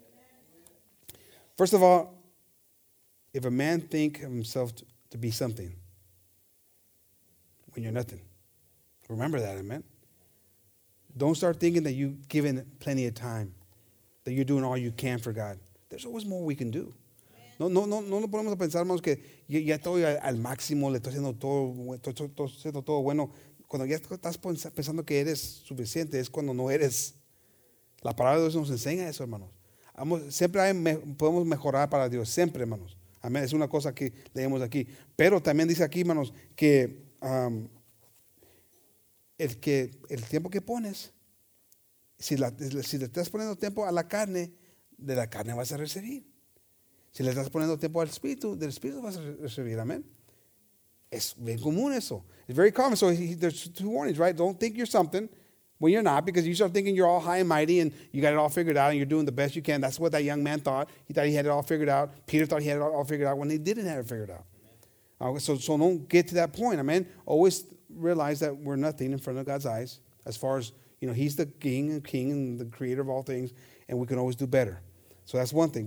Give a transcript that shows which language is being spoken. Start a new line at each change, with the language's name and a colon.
English: Amen. First of all, if a man think of himself to be something, when you're nothing, remember that, amen? Don't start thinking that you've given plenty of time, that you're doing all you can for God. There's always more we can do.
Spanish: No, no, no, no lo podemos pensar, hermanos, que ya estoy al máximo, le estoy haciendo todo bueno. Cuando ya estás pensando que eres suficiente, es cuando no eres. La palabra de Dios nos enseña eso, hermanos. Siempre podemos mejorar para Dios, siempre, hermanos. Amén. Es una cosa que leemos aquí. Pero también dice aquí, hermanos, que el tiempo que pones, si le estás poniendo tiempo a la carne, de la carne vas a recibir. Si le estás poniendo tiempo al Espíritu, del Espíritu vas a recibir. Amén. Es bien común eso.
English: It's very common. So there's two warnings, right? Don't think you're something when you're not, because you start thinking you're all high and mighty and you got it all figured out and you're doing the best you can. That's what that young man thought. He thought he had it all figured out. Peter thought he had it all figured out when they didn't have it figured out. So don't get to that point. Amen. Always realize that we're nothing in front of God's eyes as far as, you know, he's the king and the creator of all things, and we can always do better. So that's one thing.